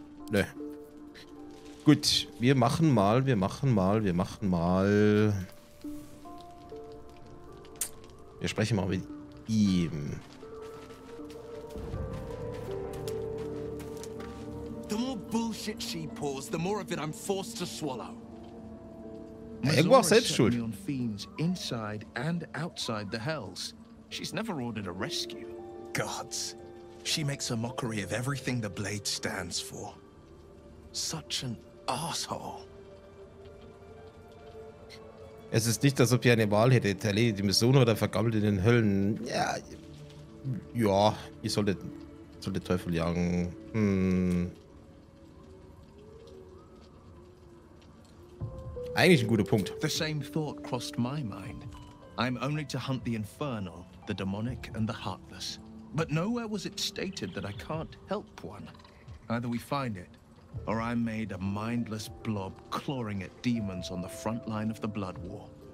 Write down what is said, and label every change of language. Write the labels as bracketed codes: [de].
[de] Nö. Gut, wir machen mal. Wir sprechen mal mit ihm. [en] The more bullshit she pours, the more of it I'm forced to swallow. [de] Irgendwo auch selbst schuld. [en] On fiends inside and outside the hells. She's never ordered a rescue. Gods. She makes a mockery of everything the Blade stands for. Such an asshole. [de] Es ist nicht, als ob ihr eine Wahl hättet. Erledigt die Mission oder vergammelt in den Höllen. Ja. Ja. Ich sollte Teufel jagen. Eigentlich ein guter Punkt. [en] The same thought crossed my mind. I'm only to hunt the infernal, the demonic and the heartless. But nowhere was it stated that I can't help one. Either we find it or I'm made a mindless blob clawing at demons on the front line of the blood war.